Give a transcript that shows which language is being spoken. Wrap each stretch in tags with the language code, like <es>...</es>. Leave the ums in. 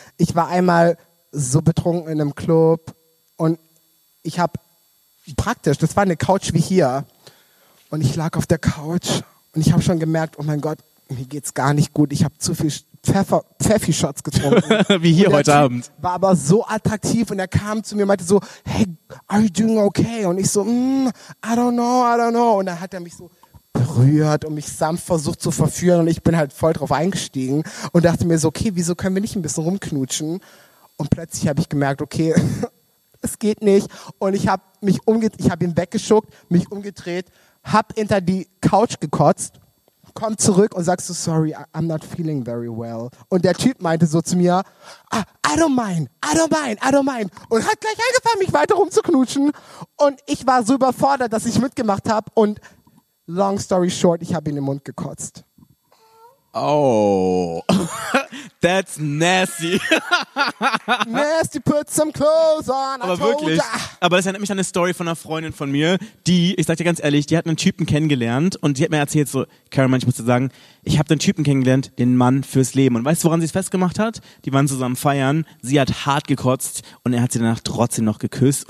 <de>Ich war einmal so betrunken in einem Club und ich habe praktisch, das war eine Couch wie hier. Und ich lag auf der Couch und ich habe schon gemerkt, oh mein Gott, mir geht's gar nicht gut. Ich habe zu viel Pfeffer, Pfeffi-Shots getrunken. Wie hier Und der heute Typ Abend. War aber so attraktiv und er kam zu mir und meinte so,</de> <en>hey, are you doing okay?</en> <de>Und ich so, mm,</de> <en>I don't know, I don't know.</en> <de>Und dann hat er mich so berührt und mich sanft versucht zu verführen und ich bin halt voll drauf eingestiegen und dachte mir so, okay, wieso können wir nicht ein bisschen rumknutschen? Und plötzlich habe ich gemerkt, okay, es geht nicht. Und ich habe mich umgedreht, ich habe ihn weggeschuckt, mich umgedreht, hab hinter die Couch gekotzt komm zurück und sagst so,</de> <en>sorry, I- I'm not feeling very well.</en> <de>Und der Typ meinte so zu mir, ah,</de> <en>I don't mind, I don't mind, I don't mind.</en> <de>Und hat gleich angefangen, mich weiter rumzuknutschen. Und ich war so überfordert, dass ich mitgemacht habe. Und</de> <en>long story short,</en> <de>ich habe ihn im Mund gekotzt.</de> <en>Oh. That's nasty. Nasty, put some clothes on. I</en> <de>Aber</de> <en>told</en> <de>wirklich.</de> <en>ya.</en> <de>Aber das erinnert mich an eine Story von einer Freundin von mir, die, ich sag dir ganz ehrlich, die hat einen Typen kennengelernt und die hat mir erzählt so, Caroline, ich muss dir sagen, ich habe den Typen kennengelernt, den Mann fürs Leben. Und weißt du, woran sie es festgemacht hat? Die waren zusammen feiern, sie hat hart gekotzt und er hat sie danach trotzdem noch geküsst.</de>